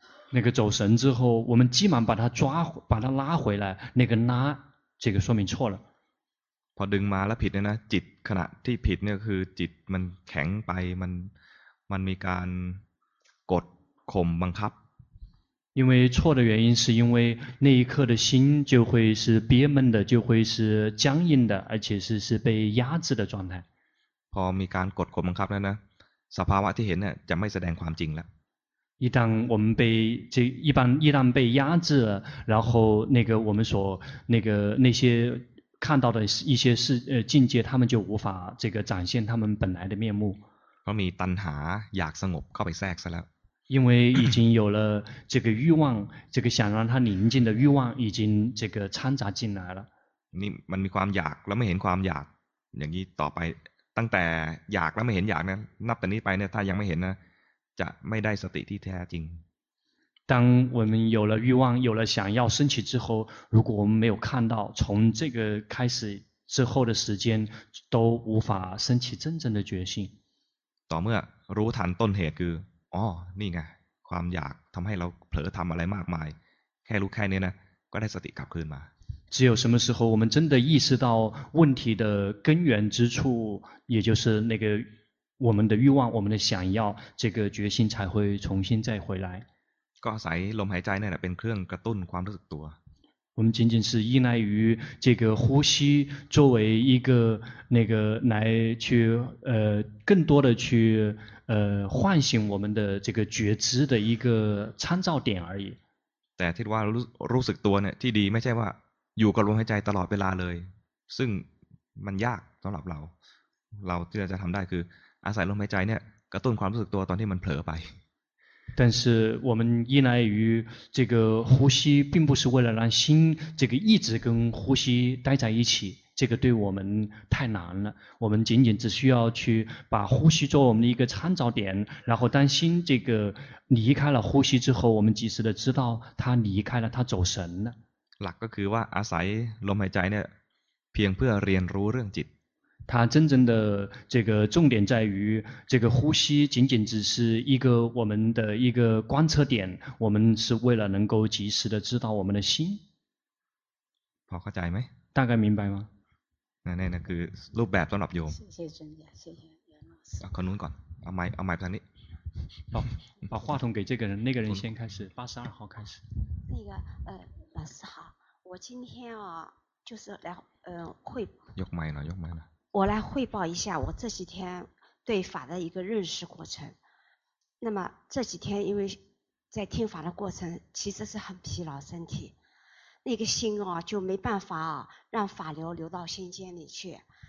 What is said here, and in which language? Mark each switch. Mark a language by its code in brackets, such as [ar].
[zh] 那个走神之后我们急忙把它抓把它拉回来那个拉这个说明错了 [th] พอดึงมาแล้วผิดเนี่ยนะจิตขณะที่ผิดเนี่ยคือจิตมันแข็งไปมันมีการกดข่มบังคับ [zh] 因为错的原因是因为那一刻的心就会是憋闷的就会是僵硬的而且是被压制的状态 [th] พอมีการกดข่มบังคับแล้วนะสภาวะที่เห็นเนี่ยจะไม่แสดงความจริงแล้ว [zh] 一旦被压制了然后那个我们所那个那些看到的一些事境界他们就无法这个展现他们本来的面目 [th] เพราะมีตัณหาอยากสงบเข้าไปแทรกซะแล้ว [zh] 因为已经有了这个欲望这个想让他宁静的欲望已经这个掺杂进来了 [th] นี่มันมีความอยากแล้วไม่เห็นความอยากอย่างนี้ต่อไปตั้งแต่อยากแล้วไม่เห็นอยากนะนับแต่นี้ไปเนี่ยถ้ายังไม่เห็นนะจะไม่ได้สติที่แท้จริง [zh] 当我们有了欲望有了想要升起之后如果我们没有看到从这个开始之后的时间都无法升起真正的决心 [th] ต่อเมื่อรู้ทันต้นเหตุคืออ๋อนี่ไงความอยากทำให้เราเผลอทำอะไรมากมายแค่รู้แค่นี้นะก็ได้สติกลับคืนมา [zh] 只有什么时候我们真的意识到问题的根源之处也就是那个我们的欲望我们的想要这个决心才会重新再回来 [th] ก็ใส่ลมหายใจนั่นแหละเป็นเครื่องกระตุ้นความรู้สึกตัว [zh] 我们仅仅是依赖于这个呼吸作为一个那个来去更多的去唤醒我们的这个觉知的一个参照点而已 [th] แต่ที่ว่ารู้สึกตัวเนี่ยที่ดีไม่ใช่ว่าอยู่กับลมหายใจตลอดเวลาเลยซึ่งมันยากสำหรับเราที่จะทำได้คืออาศัยลมหายใจเนี่ยกระตุ้นความรู้สึกตัวตอนที่มันเผลอไป [zh] 但是我们依赖于这个呼吸并不是为了让心这个一直跟呼吸待在一起这个对我们太难了我们仅仅只需要去把呼吸做我们的一个参照点然后当心这个离开了呼吸之后我们及时的知道它离开了它走神了 [th] หลักก็คือว่าอาศัยลมหายใจเนี่ยเพียงเพื่อเรียนรู้เรื่องจิต [zh] 它真正的这个重点在于这个呼吸仅仅只是一个我们的一个观测点我们是为了能够及时的知道我们的心 [th] พอเข้าใจไหม [zh] 大概明白吗 [th] 那คือรูปแบบสำหรับโยม [zh] 谢谢尊者谢谢 [th] 老师ขอนุ่นก่อนเอาไมค์ไปทางนี้ [zh] 把话筒给这个人那个人先开始82号开始那个老师好我今天啊就是来会 [th] ยกไมค์หน่อย [zh] 我来汇报一下我这几天对法的一个认识过程那么这几天因为在听法的过程其实是很疲劳身体那个心哦就没办法啊让法流流到心间里去